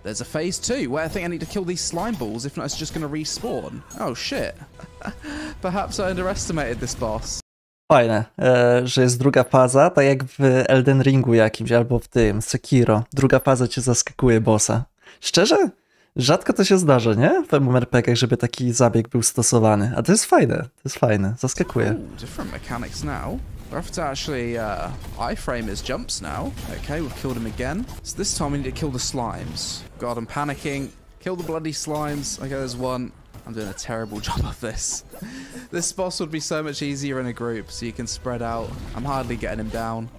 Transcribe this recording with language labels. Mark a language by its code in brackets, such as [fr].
[en] There's a phase two where I think I need to kill these slime balls, if not it's just gonna respawn. Oh, shit. Perhaps I underestimated this boss. [pl] Fajne, że jest druga faza, tak jak w Elden Ringu jakimś, albo w tym, Sekiro. Druga faza cię zaskakuje bossa. Szczerze? Rzadko to się zdarza, nie? W MMORPG-ach, żeby taki zabieg był stosowany. A to jest fajne. To jest fajne. Zaskakuje. [en] Ooh, different mechanics now. We have to actually iframe his jumps now. Okay, we've killed him again. So this time we need to kill the slimes. God, I'm panicking. Kill the bloody slimes. Okay, there's one. I'm doing a terrible job of this. This boss would be so much easier in a group, so you can spread out. I'm hardly getting him down.